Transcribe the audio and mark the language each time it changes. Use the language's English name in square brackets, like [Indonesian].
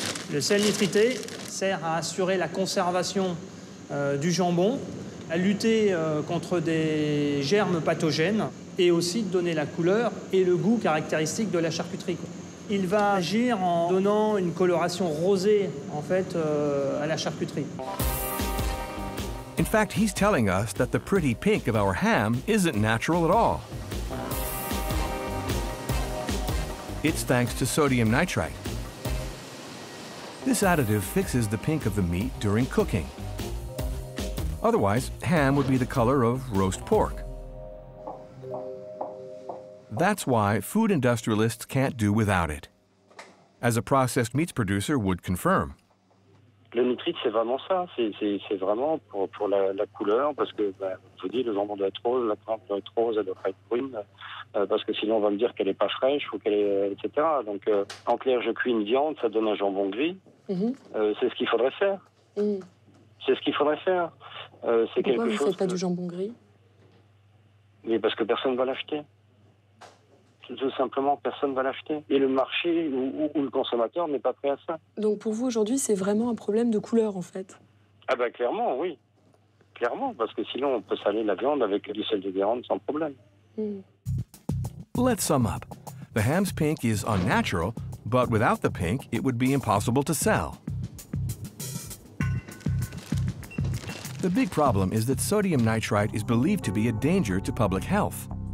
[French] Le sel nitrité sert à assurer la conservation du jambon, à lutter contre des germes pathogènes et aussi de donner la couleur et le goût caractéristique de la charcuterie. Il va agir en donnant une coloration rosée en fait à la charcuterie. [English] In fact, he's telling us that the pretty pink of our ham isn't natural at all. It's thanks to sodium nitrite. This additive fixes the pink of the meat during cooking. Otherwise, ham would be the color of roast pork. That's why food industrialists can't do without it, as a processed meats producer would confirm. [French] Le nitrite, c'est vraiment ça. C'est vraiment pour la couleur, parce que, bah, je vous dis, le jambon doit être rose, la pointe doit être rose, elle doit pas être brune, parce que sinon, on va me dire qu'elle est pas fraîche ou qu'elle est, etc. Donc, en clair, je cuis une viande, ça donne un jambon gris. Mm-hmm. C'est ce qu'il faudrait faire. C'est pourquoi quelque vous ne faites pas du jambon gris? Mais parce que personne ne va l'acheter. Tout simplement, personne ne va l'acheter. Et le marché ou le consommateur n'est pas prêt à ça. Donc pour vous, aujourd'hui, c'est vraiment un problème de couleur, en fait? Ah ben, clairement, oui. Clairement, parce que sinon, on peut saler la viande avec du sel de Guérande sans problème. [English] Let's sum up. The ham's pink is unnatural, but without the pink, it would be impossible to sell. The big problem is that sodium nitrite is believed to be a danger to public health.